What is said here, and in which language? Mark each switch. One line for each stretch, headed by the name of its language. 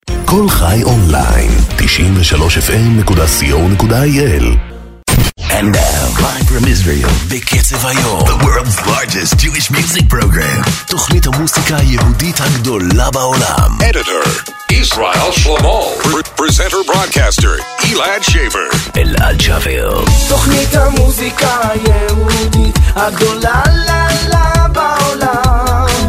Hebrew: הכל חי אונליין, 93fm.co.il.
English: And now, live from Israel, בקצב היום, the world's largest Jewish music program.
Hebrew: תוכנית המוסיקה היהודית הגדולה בעולם. Editor, Israel Shlomo.
English: Presenter, broadcaster, Elad Shaver. Elad Shaver.
Hebrew: תוכנית המוסיקה היהודית הגדולה בעולם.